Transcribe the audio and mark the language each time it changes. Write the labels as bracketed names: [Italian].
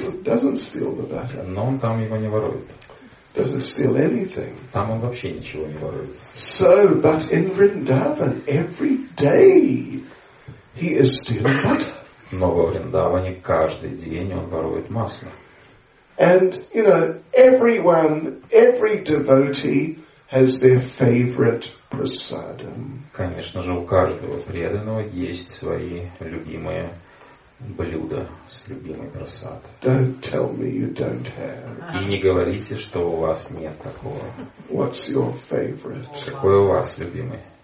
[English] He doesn't steal the butter. [Russian] Но он там его не ворует. [English] Doesn't steal anything. [Russian] Там он вообще ничего не ворует. [English] So, but in Vrindavan every day. He is stealing butter. [Russian] Но во Вриндаване каждый день он ворует масло. [English] And you know, every devotee has their favorite prasadam. [Russian] Конечно же, у каждого преданного есть свои любимые блюда с любимой прасад. [English] Don't tell me you don't have. [Russian] И не говорите, что у вас нет такого. [English] What's your favorite? [Russian] Какой у вас любимый?